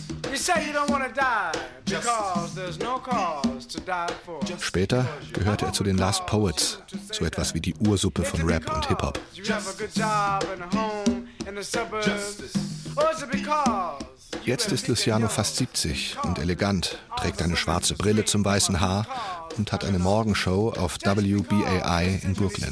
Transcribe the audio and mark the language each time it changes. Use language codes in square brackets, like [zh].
[en] You say you don't want to die because there's no cause to die for. [de] Später gehört zu den Last Poets, so etwas wie die Ursuppe von Rap und Hip-Hop. [en] You have a good job and a home in the suburbs. Or is it because... [de] Jetzt ist Luciano fast 70 und elegant, trägt eine schwarze Brille zum weißen Haar und hat eine Morgenshow auf WBAI in Brooklyn.